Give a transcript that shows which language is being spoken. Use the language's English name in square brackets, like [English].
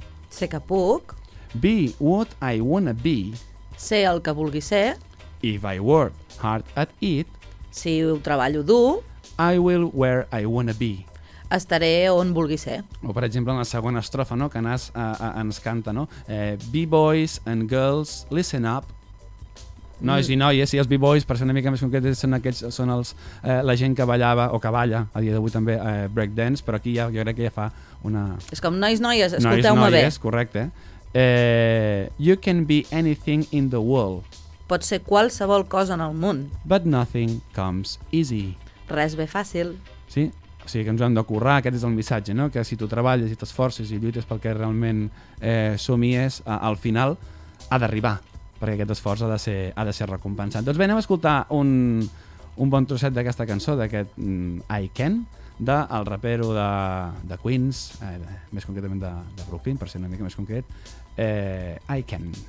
[Catalan] sé que puc, [English] be what I wanna be, [Catalan] sé el que vulgui ser, [English] if I work hard at it, [Catalan] si ho treballo dur, [English] I will where I wanna be, [Catalan] estaré on vulgui ser. O per exemple en la segona estrofa, no? Que Nas ens canta, no? [English] Be boys and girls, listen up. [Catalan] Nois i noies, i els b-boys, per ser una mica més concretes, són la gent que ballava, o que balla, a dia d'avui també, breakdance, però aquí ja, jo crec que ja fa una... És com nois, noies, escolteu-me bé. Nois, correcte. [English] You can be anything in the world. [Catalan] Pot ser qualsevol cosa en el món. [English] But nothing comes easy. [Catalan] Res ve fàcil. Sí, o sigui que ens ho hem de currar, aquest és el missatge, no? Que si tu treballes i t'esforces i lluites pel que realment somies, al final ha d'arribar. Perquè aquest esforç ha de ser recompensat. Doncs bé, anem a escoltar un bon trosset d'aquesta cançó, d'aquest I Can, del rapero de Queens, més concretament de Brooklyn, per ser una mica més concret, I Can.